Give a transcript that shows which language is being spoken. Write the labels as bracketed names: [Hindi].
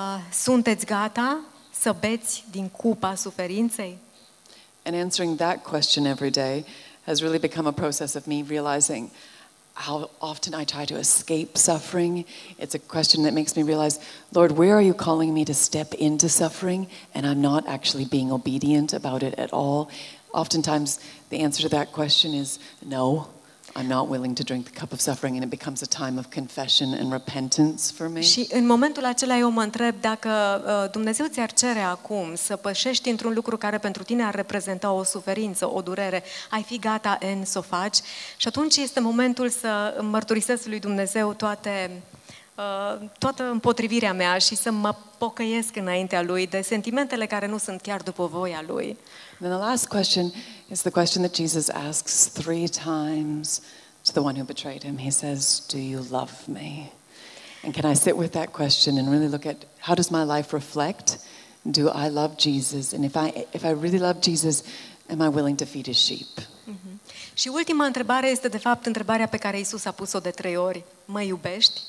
[Romanian] Sunteți gata să beți din cupa suferinței? [English] And answering that question every day has really become a process of me realizing how often I try to escape suffering. It's a question that makes me realize, Lord, where are you calling me to step into suffering and I'm not actually being obedient about it at all? Oftentimes, the answer to that question is no, I'm not willing to drink the cup of suffering, and it becomes a time of confession and repentance for me. [Romanian] Și în momentul acela eu mă întreb dacă Dumnezeu ți-ar cere acum să pășești într-un lucru care pentru tine ar reprezenta o suferință, o durere, ai fi gata în să o faci? Și atunci este momentul să mărturisesc lui Dumnezeu toată împotrivirea mea și să mă pocăiesc înaintea lui de sentimentele care nu sunt chiar după voia lui. [English] Then the last question is the question that Jesus asks three times to the one who betrayed him. He says, do you love me? And can I sit with that question and really look at how does my life reflect? Do I love Jesus? And if I really love Jesus, am I willing to feed his sheep? [Romanian] Și ultima întrebare este de fapt întrebarea pe care Iisus a pus-o de trei ori. Mă iubești?